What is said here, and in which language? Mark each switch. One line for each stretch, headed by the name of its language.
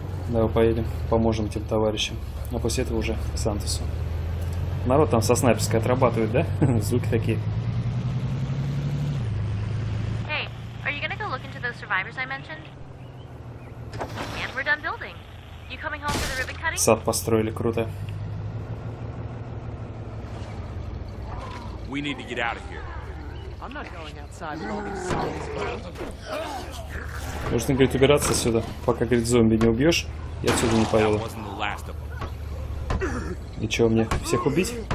Russian: Давай поедем, поможем этим товарищам. А после этого уже к Сантосу. Народ там со снайперской отрабатывает, да? Звуки такие.
English: Hey, are you gonna go look into those survivors I mentioned? And we're done building. You coming home for the ribbon cutting?
Russian: Сад построили, круто.
English: We need to get out of here. I'm not going outside with all these zombies.
Russian: Нужно, говорит, убираться отсюда, пока, говорит, зомби не убьешь. Я отсюда не поеду. И что, мне всех убить?